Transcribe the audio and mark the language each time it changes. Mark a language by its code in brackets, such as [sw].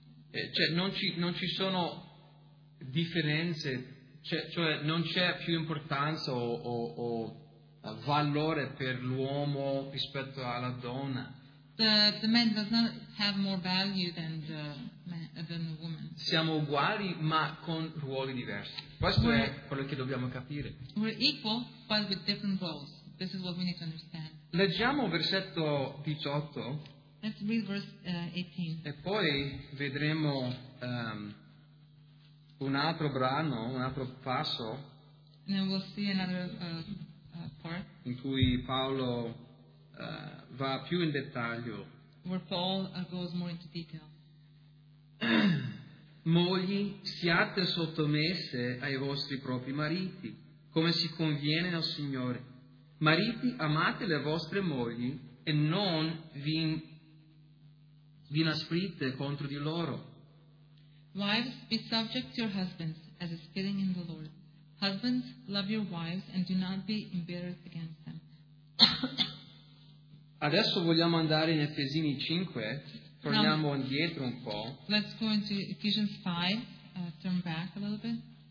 [it] Cioè non ci sono differenze cioè non c'è più importanza o valore per l'uomo rispetto alla donna. [en] The man does not have more value than the man, than the woman. [it] Siamo uguali ma con ruoli diversi. Questo è quello che dobbiamo capire. [en] We're equal but with different roles. This is what we need to understand. [it] Leggiamo versetto 18. [en] Let's read verse 18. [it] E poi vedremo un altro brano, un altro passo. [en] And then we'll see another part. [it] In cui Paolo va più in dettaglio. [en] Where Paul goes more into detail. [it] Mogli, siate sottomesse ai vostri propri mariti, come si conviene al Signore. Mariti, amate le vostre mogli e non vi inasprite contro di loro. [en] Wives, be subject to your husbands, as is fitting in the Lord. Husbands, love your wives and do not be embittered against them. [it] Adesso vogliamo andare in Efesini 5, torniamo now, indietro un po'. [en] Let's go into Ephesians 5, turn back a little bit.